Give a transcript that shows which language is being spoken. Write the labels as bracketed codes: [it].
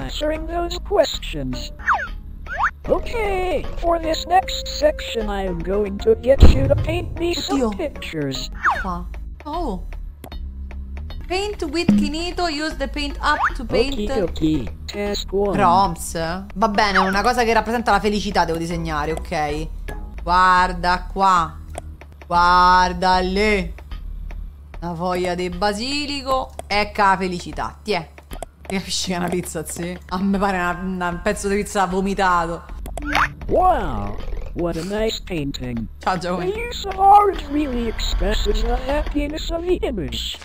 [en] answering those questions. Okay, for this next section I am going to get you to paint me [it] Oddio. [en] Some pictures. Oh. Paint with Kinito, use the paint app to paint. Okay. Task one. Prompts. [it] Va bene, una cosa che rappresenta la felicità devo disegnare, ok. Guarda qua. Guarda lì. Una foglia di basilico. Ecca la felicità. Tiè. Capisci che è una pizza, sì? A me pare un pezzo di pizza vomitato. [en] Wow, what a nice painting. [it] Ciao, Joey. [en] The use of art really expresses the happiness of the image.